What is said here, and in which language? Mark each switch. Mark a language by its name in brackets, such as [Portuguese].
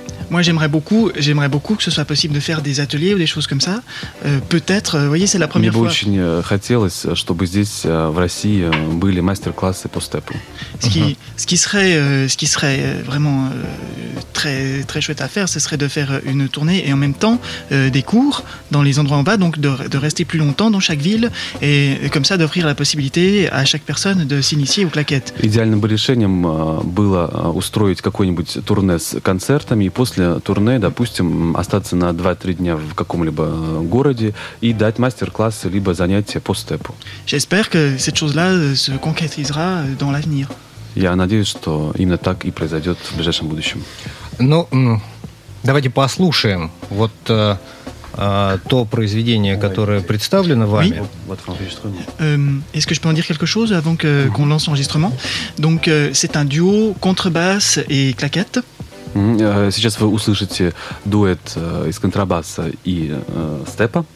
[French] Moi, j'aimerais beaucoup que ce soit possible de faire des ateliers ou des choses comme ça. Peut-être, vous voyez, c'est la première fois. [Russian] Мне бы очень хотелось, чтобы здесь, в России, были мастер-классы по степу. [French] Ce qui serait vraiment très, très chouette à faire, ce serait de faire une tournée et en même temps des cours dans les endroits en bas, donc de rester plus longtemps dans chaque ville et comme ça d'offrir la possibilité à chaque personne de s'initier aux claquettes. [Russian] Идеальным бы решением было устроить какой-нибудь турне с концертами. После турне, допустим, остаться на 2-3 дня в каком-либо городе и дать мастер-классы либо занятия по степу. [French] J'espère que cette chose-là se concrétisera dans l'avenir. [Russian] Я надеюсь, что именно так и произойдет в ближайшем будущем. Ну, давайте послушаем вот то произведение, которое представлено вами. [French] Est-ce que je peux en dire quelque chose avant que qu'on lance l'enregistrement? Donc c'est un duo contrebasse et claquette. [Russian] Сейчас вы услышите дуэт из контрабаса и степа.